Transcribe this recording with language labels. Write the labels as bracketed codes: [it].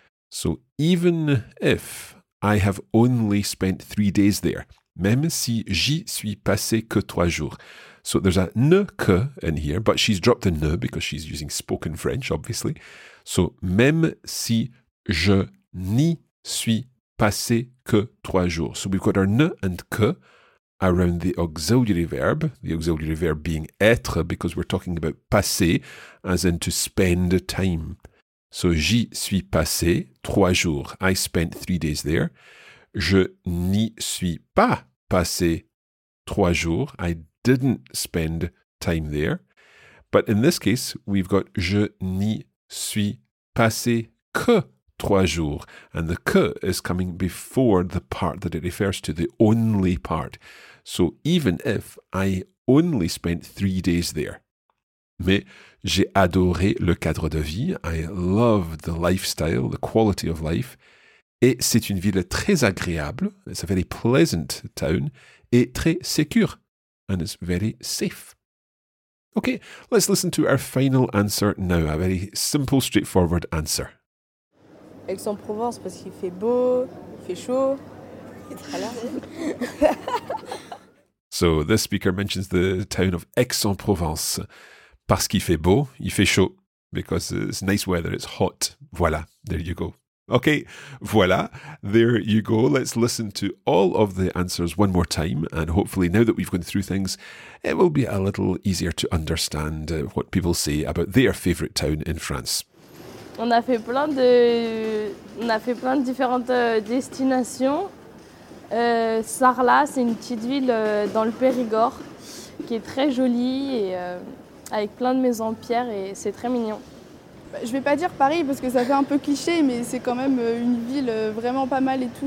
[en] So even if... I have only spent 3 days there. [fr] Même si j'y suis passé que 3 jours. [en] So there's a ne que in here, but she's dropped the ne because she's using spoken French, obviously. [fr] So même si je n'y suis passé que 3 jours. [en] So we've got our ne and que around the auxiliary verb being être because we're talking about passé, as in to spend time. So, [fr] j'y suis passé 3 jours. [en] I spent 3 days there. [fr] Je n'y suis pas passé 3 jours. [en] I didn't spend time there. But in this case, we've got [fr] je n'y suis passé que 3 jours. [en] And the que is coming before the part that it refers to, the only part. So, even if I only spent 3 days there. [fr] Mais j'ai adoré le cadre de vie. [en] I love the lifestyle, the quality of life. [fr] Et c'est une ville très agréable. [en] It's a very pleasant town. [fr] Et très sécure. [en] And it's very safe. Okay, let's listen to our final answer now. A very simple, straightforward answer. [fr] Aix-en-Provence, parce qu'il fait beau, il fait chaud. [en] So this speaker mentions the town of Aix-en-Provence. [fr] Parce qu'il fait beau, il fait chaud. [en] Because it's nice weather, it's hot. Voilà, there you go. Okay, voilà, there you go. Let's listen to all of the answers one more time. And hopefully now that we've gone through things, it will be a little easier to understand what people say about their favorite town in France. [fr] On a fait plein de différentes destinations. Sarlat, c'est une petite ville dans le Périgord qui est très jolie et... avec plein de maisons en pierre et c'est très mignon. Je vais pas dire Paris parce que ça fait un peu cliché, mais c'est quand même une ville vraiment pas mal et tout.